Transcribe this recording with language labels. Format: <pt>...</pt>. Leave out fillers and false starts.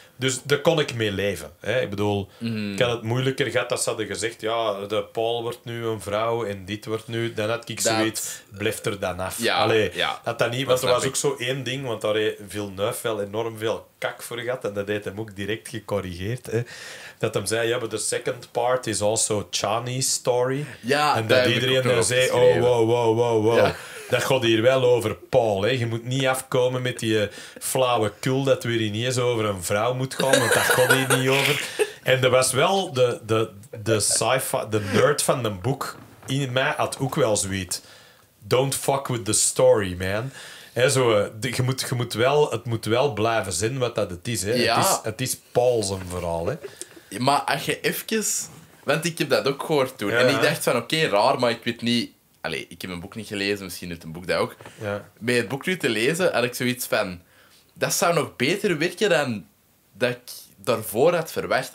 <nl>Dus daar kon ik mee leven. Hè? Ik bedoel, ik had het moeilijker gehad als ze hadden gezegd... ja, de Paul wordt nu een vrouw en dit wordt nu... dan had ik zoiets, blijft er dan af. Ja, had dat niet, want er was ook zo één ding... want daar viel Neuf wel enorm veel kak voor gehad... en dat deed hem ook direct gecorrigeerd. Hè? Dat hem zei, ja, maar</nl> <en>the second part is also Chani's story.</en> <nl>Ja, en dat iedereen dan zei, oh, wow. Ja. Dat gaat hier wel over Paul. Hè. Je moet niet afkomen met die flauwe kul dat weer ineens over een vrouw moet gaan, want dat gaat hier niet over. En er was wel de sci-fi, de nerd van een boek in mij had ook wel zoiets.</nl> <en>Don't fuck with the story, man.</en> <nl>Hè, zo, het moet wel blijven zien wat dat het is. Hè. Ja. Het is Paul's een verhaal. Hè. Maar als je even... Want ik heb dat ook gehoord toen. Ja. En ik dacht van, oké, raar, maar ik weet niet... Allee, ik heb een boek niet gelezen, misschien doet een boek dat ook. Ja. Bij het boek nu te lezen had ik zoiets van... Dat zou nog beter werken dan dat ik daarvoor had verwacht.</nl>